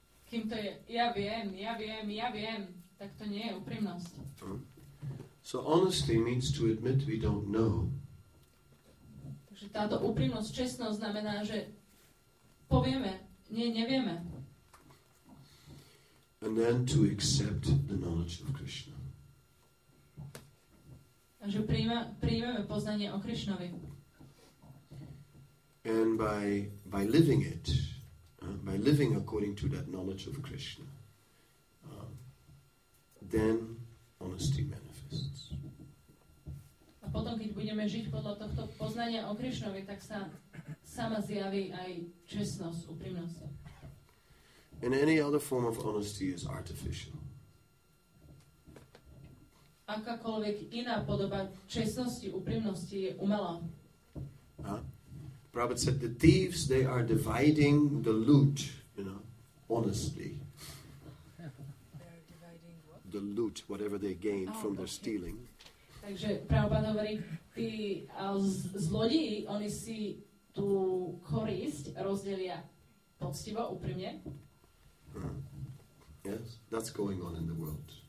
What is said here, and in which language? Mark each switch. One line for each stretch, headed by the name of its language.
Slovak: Kým to je, ja viem, tak to nie je úprimnosť.
English: So honesty means to admit we don't know.
Slovak: Takže táto úprimnosť, čestnosť znamená, že povieme, nie, nevieme.
English: And then to accept the knowledge of Krishna.
Slovak: Takže prijmeme poznanie o Krišnovi.
English: And by living it, by living according to that knowledge of Krishna, then honesty manifests.
Slovak: A potom, keď budeme žiť podľa tohto poznania o Krišnovi, tak sa sama zjaví aj čestnosť, úprimnosť.
English: And any other form of honesty is artificial.
Slovak: Akákoľvek iná podoba čestnosti, úprimnosti je umelá.
English: Prabhupada said the thieves, they are dividing the loot, you know, honestly. They are dividing what? The loot, whatever they gain from their stealing.
Slovak: Takže Prabhupada hovorí, tí zlodíji, oni si tú korisť rozdelia poctivo, úprimne.
English: Yes, that's going on in the world.